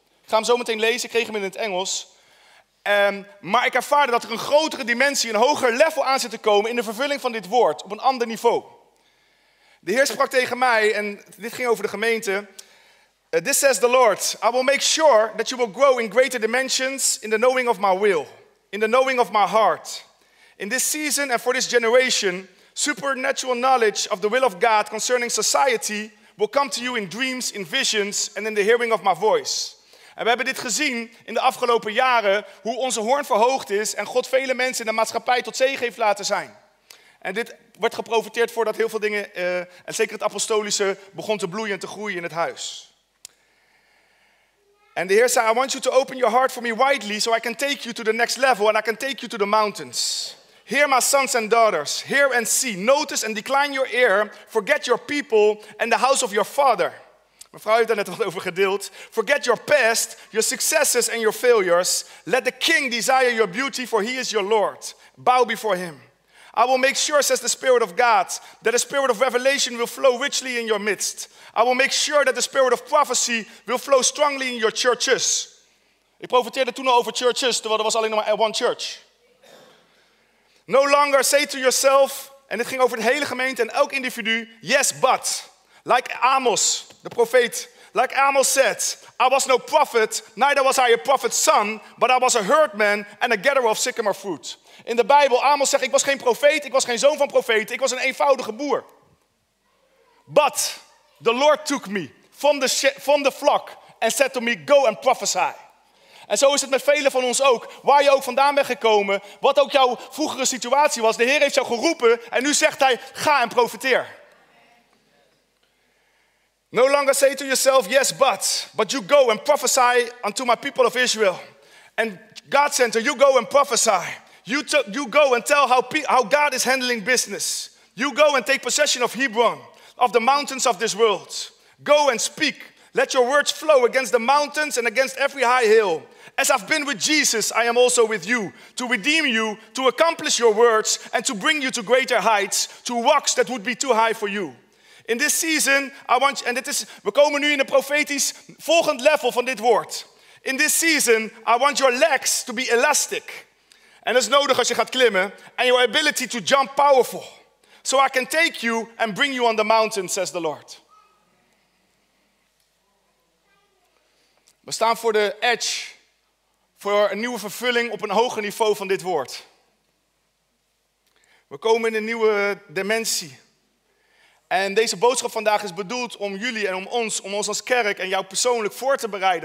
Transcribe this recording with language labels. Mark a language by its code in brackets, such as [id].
[nl] Ik ga hem zo meteen lezen, ik kreeg hem in het Engels. Maar ik ervaarde dat er een grotere dimensie, een hoger level aan zit te komen in de vervulling van dit woord, op een ander niveau. De Heer sprak tegen mij, en dit ging over de gemeente. [en] This says the Lord, I will make sure that you will grow in greater dimensions in the knowing of my will, in the knowing of my heart. In this season and for this generation, supernatural knowledge of the will of God concerning society will come to you in dreams, in visions and in the hearing of my voice. [nl] En we hebben dit gezien in de afgelopen jaren, hoe onze hoorn verhoogd is en God vele mensen in de maatschappij tot zegen heeft laten zijn. En dit werd geprofiteerd voordat heel veel dingen, en zeker het apostolische, begon te bloeien en te groeien in het huis. En de Heer zei, [en] I want you to open your heart for me widely, so I can take you to the next level and I can take you to the mountains. Hear my sons and daughters, hear and see, notice and decline your ear, forget your people and the house of your father. [nl] Mevrouw heeft daar net wat over gedeeld. [en] Forget your past, your successes and your failures. Let the king desire your beauty, for he is your Lord. Bow before him. I will make sure, says the Spirit of God, that the Spirit of revelation will flow richly in your midst. I will make sure that the Spirit of prophecy will flow strongly in your churches. [nl] Ik profeteerde toen al over churches, terwijl er was alleen maar one church. [en] No longer say to yourself, [nl] en dit ging over de hele gemeente en elk individu, yes, but. [en] Like Amos, the prophet, like Amos said, I was no prophet, neither was I a prophet's son, but I was a herdman and a gatherer of sycamore fruit. [nl] In de Bijbel, Amos zegt, ik was geen profeet, ik was geen zoon van profeet, ik was een eenvoudige boer. [en] But the Lord took me from the flock and said to me, go and prophesy. [nl] En zo is het met velen van ons ook. Waar je ook vandaan bent gekomen, wat ook jouw vroegere situatie was, de Heer heeft jou geroepen en nu zegt hij, ga en profeteer. [en] No longer say to yourself, yes, but you go and prophesy unto my people of Israel. And God sent her, you go and prophesy. You go and tell how God is handling business. You go and take possession of Hebron, of the mountains of this world. Go and speak. Let your words flow against the mountains and against every high hill. As I've been with Jesus, I am also with you. To redeem you, to accomplish your words, and to bring you to greater heights, to rocks that would be too high for you. In this season, I want you, and it is, [nl] we komen nu in een profetisch volgend level van dit woord. [en] In this season, I want your legs to be elastic. [nl] En dat is nodig als je gaat klimmen. [en] And your ability to jump powerful. So I can take you and bring you on the mountain, says the Lord. [nl] We staan voor de edge, voor een nieuwe vervulling op een hoger niveau van dit woord. We komen in een nieuwe dimensie. En deze boodschap vandaag is bedoeld om jullie en om ons als kerk en jou persoonlijk voor te bereiden.